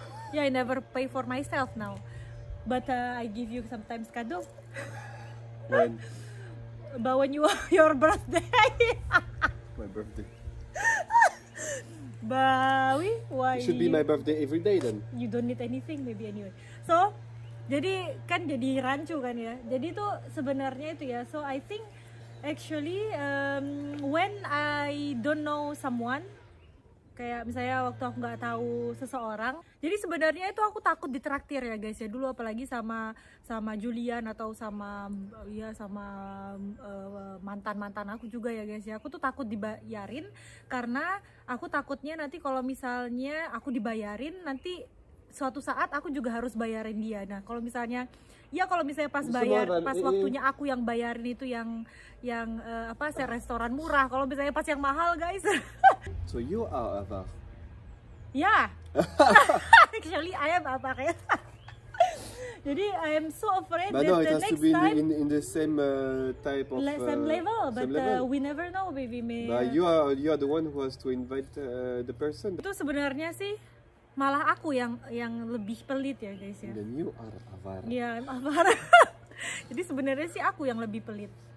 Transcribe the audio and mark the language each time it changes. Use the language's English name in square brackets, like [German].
[English] Yeah, I never pay for myself now. But I give you sometimes [Indonesian] kado. [English] When? But when you your birthday. My birthday. Bawi, why? It should be my birthday every day then. You don't need anything maybe anyway. So, [Indonesian] jadi kan jadi rancu kan ya. Jadi tuh sebenarnya itu ya. [English] So I think actually when I don't know someone, [Indonesian] kayak misalnya waktu aku nggak tahu seseorang. Jadi sebenarnya itu aku takut ditraktir ya guys ya dulu, apalagi sama Julian atau sama ya sama mantan-mantan aku juga ya guys ya. Aku tuh takut dibayarin karena aku takutnya nanti kalau misalnya aku dibayarin nanti suatu saat aku juga harus bayarin dia. Nah, kalau misalnya ya kalau misalnya pas bayar pas waktunya aku yang bayarin itu yang apa sih restoran murah. Kalau misalnya pas yang mahal guys. [English] So you are [Indonesian] apa? [English] Yeah. Actually, I am [Indonesian] apa ya? Jadi [English] I am so afraid but that no, the next time in the same type of same level, but same level. We never know, baby. But you are the one who has to invite the person. [Indonesian] Itu sebenarnya sih malah aku yang lebih pelit ya guys ya. [English] And then you are avara. [Indonesian] Iya, [English] yeah, I'm avara. [Indonesian] Jadi sebenarnya sih aku yang lebih pelit.